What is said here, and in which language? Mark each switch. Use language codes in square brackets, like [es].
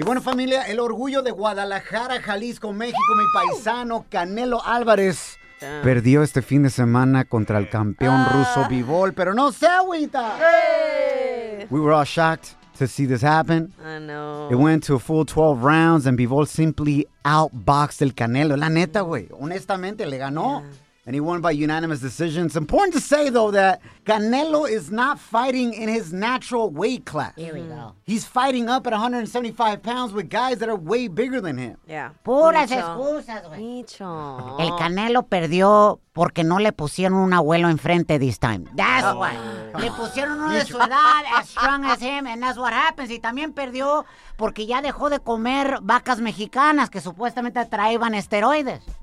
[es] Y bueno, familia, el orgullo de Guadalajara, Jalisco, México, mi paisano Canelo Álvarez perdió este fin de semana contra el campeón ruso Bivol, pero no se agüita. [en] Hey. We were all shocked to see this happen. I know. It went to a full 12 rounds and Bivol simply outboxed [es] el Canelo. La neta, güey. Honestamente, le ganó. [en] Yeah. And he won by unanimous decision. It's important to say, though, that Canelo is not fighting in his natural weight class. Here we go. He's fighting up at 175 pounds with guys that are way bigger than him. Yeah. [es] Puras excusas, güey. Micho. El Canelo perdió porque no le pusieron un abuelo enfrente [en] this time. That's why. [es] Le pusieron uno de su edad, [en] as strong as him, and that's what happens. [es] Y también perdió porque ya dejó de comer vacas mexicanas que supuestamente traían esteroides.